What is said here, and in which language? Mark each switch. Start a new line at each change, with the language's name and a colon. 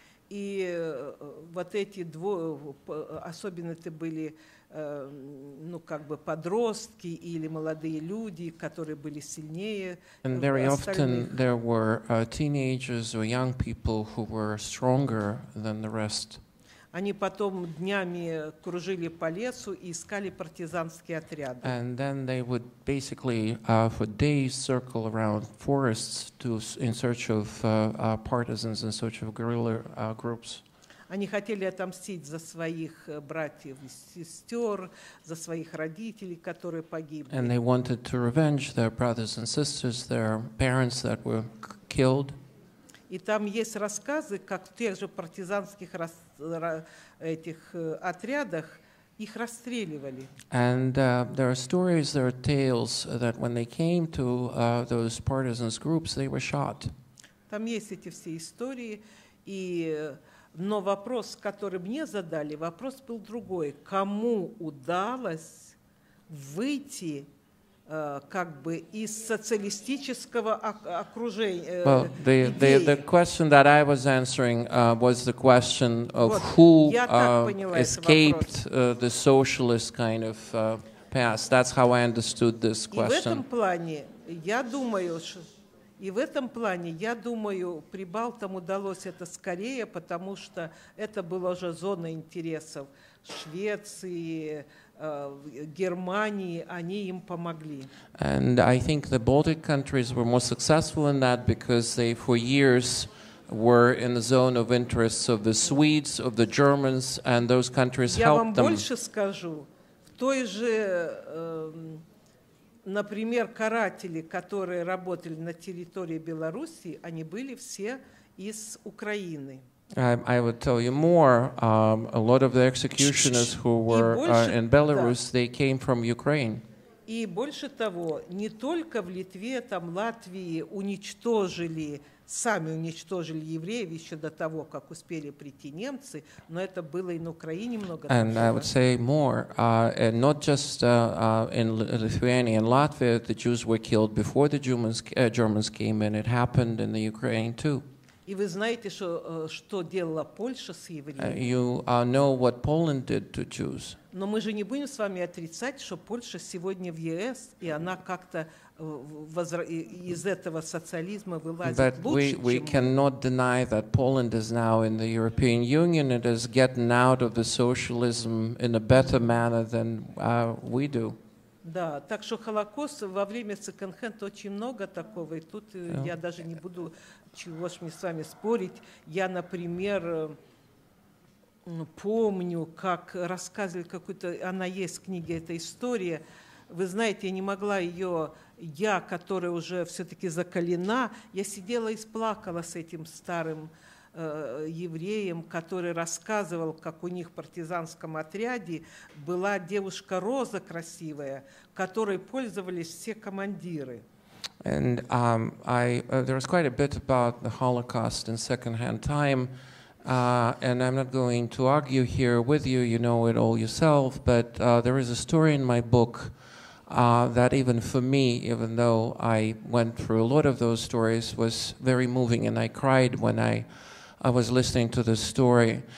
Russian: И вот эти двое, особенно это были, ну как бы подростки или молодые люди, которые были сильнее.
English: And very often there were teenagers or young people who were stronger than the rest.
Russian: Они потом днями кружили по лесу и искали партизанские отряды.
English: And then they would basically for days circle around forests to in search of partisans, in search of guerrilla groups.
Russian: Они хотели отомстить за своих братьев и сестер, за своих родителей, которые погибли.
English: And they wanted to revenge their brothers and sisters, their parents that were killed.
Russian: И там есть рассказы, как в тех же партизанских этих отрядах их расстреливали.
English: And there are stories, there are tales that when they came to those partisans groups, they were shot.
Russian: Там есть эти все истории, и но вопрос, который мне задали, вопрос был другой: кому удалось выйти как бы из социалистического окружения?
English: Well, the question that I was answering was the question of вот, who escaped the socialist kind of past. That's how I understood this question.
Russian: И в этом плане я думаю, что И в этом плане, я думаю, Прибалтам удалось это скорее, потому что это была уже зона интересов Швеции, Германии, они им помогли.
English: And I think the Baltic countries were more successful in that because they for years were in the zone of interests of the Swedes, of the Germans, and those countries helped them.
Russian: Я вам больше скажу, в той же... Например, каратели, которые работали на территории Беларуси, они были все из Украины.
English: I would tell you more. A lot of the executioners who were in Belarus, да. They came from Ukraine.
Russian: И больше того, не только в Литве, там, Латвии уничтожили, сами уничтожили евреев еще до того, как успели прийти немцы, но это было и на Украине много.
English: And I would say more, and not just in Lithuania and Latvia, the Jews were killed before the Germans came in. It happened in the Ukraine too.
Russian: И вы знаете, что делала Польша с евреями?
English: You know what Poland did to Jews.
Russian: Но мы же не будем с вами отрицать, что Польша сегодня в ЕС, и она как-то из этого социализма вылазит
English: but
Russian: лучше,
English: we, We cannot deny that Poland is now in the European Union. It is getting out of the socialism in a better manner than we do.
Russian: Да, так что Холокост во время секонд-хенд очень много такого, и тут я даже не буду чего ж мне с вами спорить. Я, например... Помню, как рассказывали какую-то, она есть в книге, эта история. Вы знаете, я не могла ее, я, которая уже все-таки закалена, я сидела и сплакала с этим старым евреем, который рассказывал, как у них в партизанском отряде была девушка Роза красивая, которой пользовались все командиры.
English: And there was quite a bit about the Holocaust in secondhand time. And I'm not going to argue here with you, you know it all yourself, but there is a story in my book that even for me, even though I went through a lot of those stories, was very moving, and I cried when I was listening to this story.